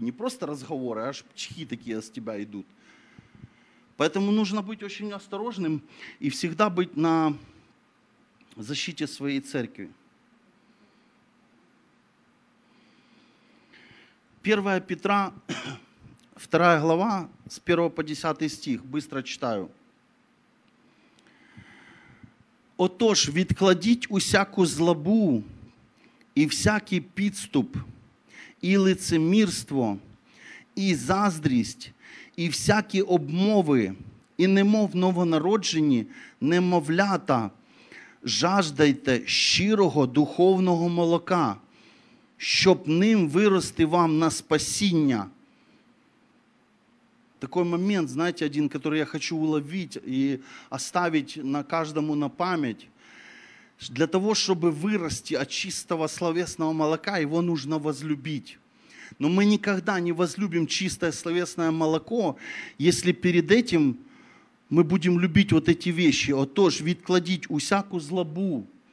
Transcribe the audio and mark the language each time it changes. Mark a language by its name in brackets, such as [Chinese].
[Russian] Не просто разговоры, аж чхи такие с тебя идут. Поэтому нужно быть очень осторожным и всегда быть на защите своей церкви. 1 Петра, 2 глава, с 1 по 10 стих, быстро читаю. [Ukrainian] «Отож, відкладіть усяку злобу і всякий підступ, і лицемірство, і заздрість, і всякі обмови, і немов новонароджені немовлята, жаждайте щирого духовного молока». Щоб ним вирости вам на спасіння. [Russian] Такой момент, знаете, один, который я хочу уловить и оставить на каждому на память. Для того, чтобы вырасти от чистого словесного молока, его нужно возлюбить. Но мы никогда не возлюбим чистое словесное молоко, если перед этим мы будем любить вот эти вещи. [Ukrainian] Отож, відкладіть усяку злобу.